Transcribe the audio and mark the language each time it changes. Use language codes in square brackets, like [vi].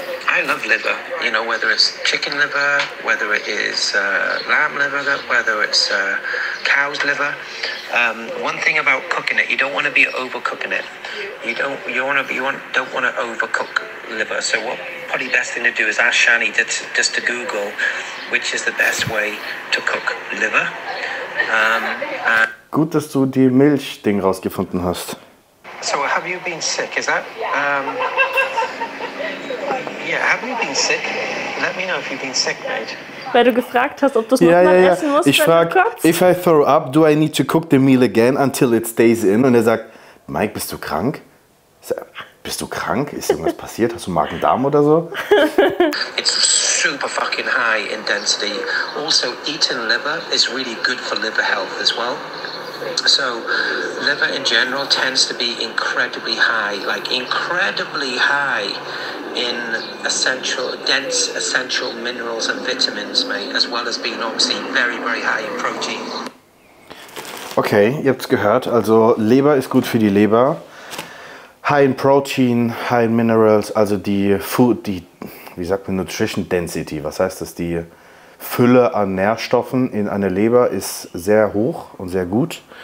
[en] I love liver, you know, whether it's chicken liver, whether it is lamb liver, whether it's cow's liver. One thing about cooking it, you don't want to be overcooking it. You don't want to overcook liver. So what probably best thing to do is ask Shani just to Google which is the best way to cook liver. [de] Gut, dass du die Milch Ding rausgefunden hast. [en] So have you been sick? Is that yeah, have you been sick? Let me know if you've been sick, mate. [de] Weil du gefragt hast, ob du es nochmal essen musst. Ich frage, [en] if I throw up, do I need to cook the meal again until it stays in? [de] Und er sagt, Mike, bist du krank? Bist du krank? Ist irgendwas passiert? Hast du Magen-Darm oder so? [en] It's super fucking high in density. Also, eating liver is really good for liver health as well. So, liver in general tends to be incredibly high, like incredibly high in dense essential minerals and vitamins, mate, as well as being obviously very, very high in protein. [de] Okay, ihr habt's gehört, also Leber ist gut für die Leber. [en] High in protein, high in minerals, [de] also die Food, die, wie sagt man, Nutrition Density, was heißt das, die Fülle an Nährstoffen in einer Leber ist sehr hoch und sehr gut.